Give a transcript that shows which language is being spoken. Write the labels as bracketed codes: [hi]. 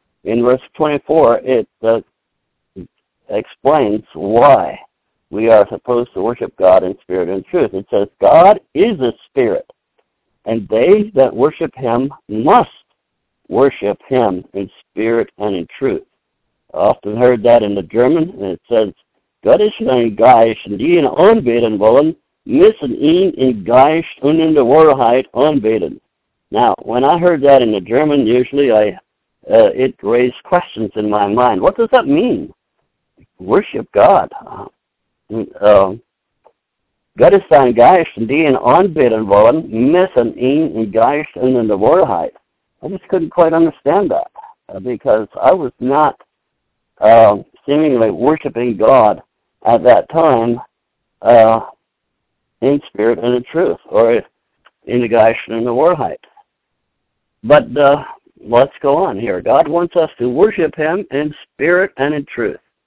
[en] In verse 24, it explains why we are supposed to worship God in spirit and truth. It says, "God is a spirit, and they that worship him must worship him in spirit and in truth." I often heard that in the German, and it says, [de] "Göttlich und Geist, die ihn anbeten wollen, müssen ihn in Geist und in der Wahrheit anbeten." [en] Now, when I heard that in the German, usually it raised questions in my mind. What does that mean? Worship God. [de] Gott ist ein Geist, die ihn anbeten wollen, müssen ihn im Geist und in der Wahrheit. [en] I just couldn't quite understand that, because I was not seemingly worshiping God at that time in spirit and in truth, or in the Geist and in the Wahrheit. But let's go on here. God wants us to worship him in spirit and in truth.